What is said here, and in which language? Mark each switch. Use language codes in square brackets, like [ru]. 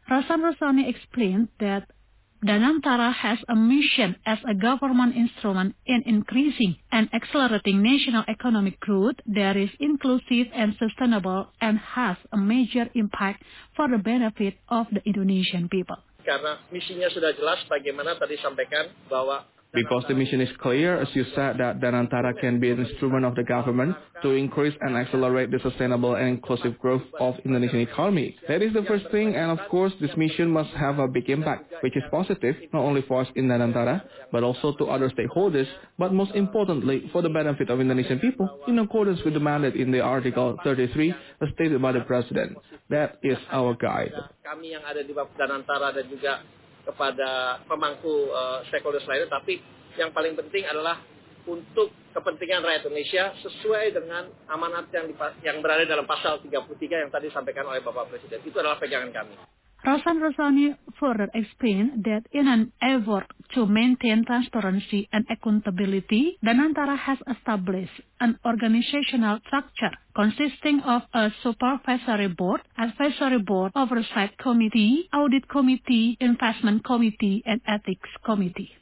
[en] Rosan Roslani explained that Danantara has a mission as a government instrument in increasing and accelerating national economic growth that is inclusive and sustainable and has a major impact for the benefit of the Indonesian people. [id] Karena misinya sudah jelas, bagaimana tadi sampaikan bahwa [en] because the mission is clear, as you said, that Danantara can be an instrument of the government to increase and accelerate the sustainable and inclusive growth of Indonesian economy. That is the first thing, and of course, this mission must have a big impact, which is positive, not only for us in Danantara, but also to other stakeholders, but most importantly, for the benefit of Indonesian people, in accordance with the mandate in the Article 33, stated by the President. That is our guide. [id] Kepada pemangku stakeholders lainnya, tapi yang paling penting adalah untuk kepentingan rakyat Indonesia sesuai dengan amanat yang berada dalam pasal 33 yang tadi disampaikan oleh Bapak Presiden. Itu adalah pegangan kami. [en] Rosan Roslani further explained that in an effort to maintain transparency and accountability, Danantara has established an organizational structure consisting of a supervisory board, advisory board, oversight committee, audit committee, investment committee, and ethics committee.